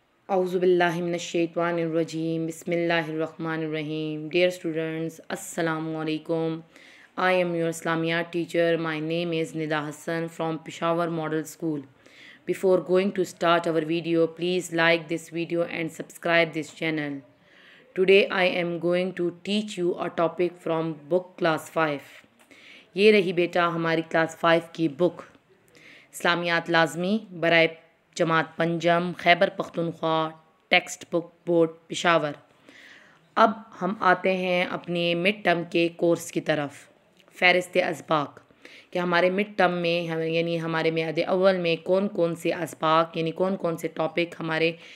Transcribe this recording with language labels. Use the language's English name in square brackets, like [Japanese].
[Arabic] أعوذ بالله من الشيطان الرجيم بسم الله الرحمن الرحيم [English] Dear students, [Arabic] السلام عليكم [English] I am your Islamiyat teacher. My name is Nida Hassan from Peshawar Model School. Before going to start our video, please like this video and subscribe this channel. Today I am going to teach you a topic from book class 5. [Urdu] یہ رہی بیٹا ہماری class 5 کی book. اسلامیات لازمی برائے جماعت پنجم Khyber Pakhtunkhwa text book board Peshawar اب ہم آتے ہیں اپنے مڈ ٹرم کے کورس کی طرف فہرست اسباق کہ ہمارے مڈ ٹرم میں یعنی ہمارے میعاد اول میں کون کون سے اسباق یعنی کون کون سے ٹاپک ہمارے